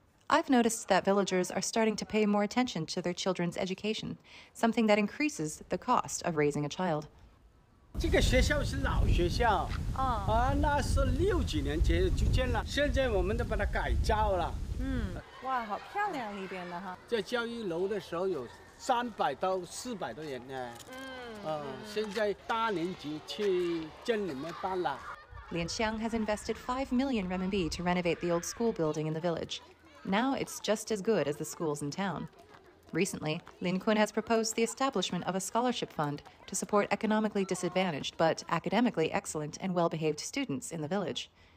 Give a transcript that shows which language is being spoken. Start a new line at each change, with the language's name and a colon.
English: I've noticed that villagers are starting to pay more attention to their children's education, something that increases the cost of raising a child.
Chinese: 这个学校是老学校、oh. 啊，那是六几年前就建了，现在我们都把它改造了。嗯，哇，好漂亮里边的哈。在教育楼的时候有300到400多人呢。嗯，现在大年级去镇里面办了。
English: Lian Xiang has invested 5 million renminbi to renovate the old school building in the village. Now it's just as good as the schools in town. Recently, Lin Kun has proposed the establishment of a scholarship fund to support economically disadvantaged but academically excellent and well-behaved students in the village.